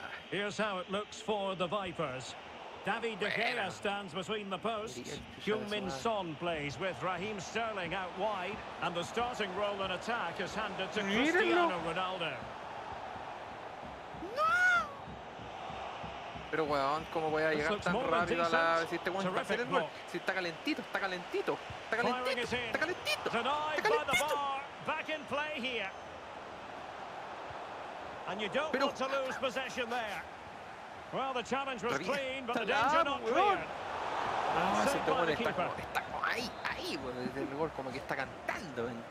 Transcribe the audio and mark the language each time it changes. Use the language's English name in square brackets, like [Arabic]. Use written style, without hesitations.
[English] Here's how it looks for the Vipers. David De Gea stands between the posts. Heung-min Son plays with Raheem Sterling out wide, and the starting role in attack is handed to Cristiano Ronaldo. [Spanish] Pero weón, ¿cómo voy a llegar tan rápido a la... Si este weón está haciendo... Si está calentito, está calentito. Está calentito, está calentito. Está calentito. Está calentito. Pero... [English] Well, the challenge was clean, but the danger not clear. [Spanish] Ah, ese tomo está como ahí, ahí, desde el gol, como que está cantando.